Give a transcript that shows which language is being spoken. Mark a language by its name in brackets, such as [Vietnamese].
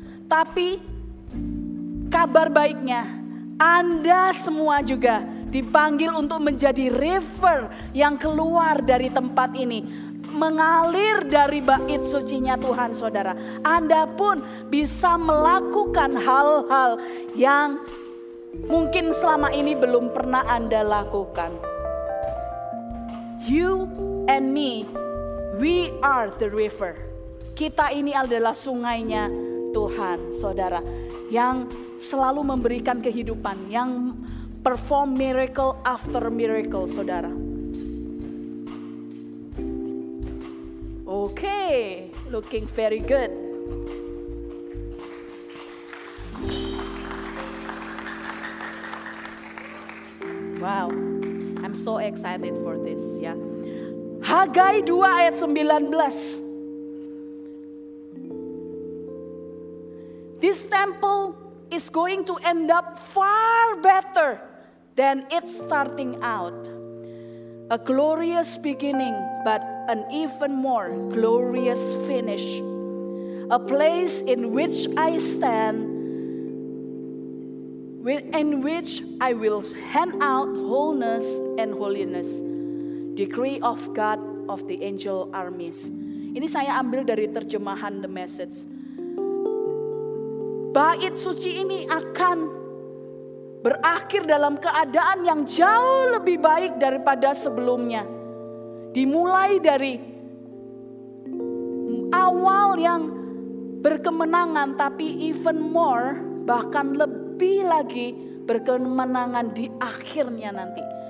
[Indonesian] Tapi kabar baiknya, Anda semua juga dipanggil untuk menjadi river yang keluar dari tempat ini. Mengalir dari bait sucinya Tuhan saudara. Anda pun bisa melakukan hal-hal yang mungkin selama ini belum pernah Anda lakukan. [English] You and me, we are the river. [Indonesian] Kita ini adalah sungainya Tuhan saudara. Yang selalu memberikan kehidupan. Yang [English] perform miracle after miracle [Indonesian] saudara. [English] Oke, looking very good. Wow, I'm so excited for this [Indonesian] ya. Hagai 2 ayat 19. [English] This temple is going to end up far better than it's starting out. A glorious beginning, but an even more glorious finish. A place in which I stand, in which I will hand out wholeness and holiness. Decree of God of the Angel Armies. [Indonesian] Ini saya ambil dari terjemahan The Message. Bait suci ini akan berakhir dalam keadaan yang jauh lebih baik daripada sebelumnya. Dimulai dari awal yang berkemenangan, tapi [English] even more, [Indonesian] bahkan lebih lagi berkemenangan di akhirnya nanti.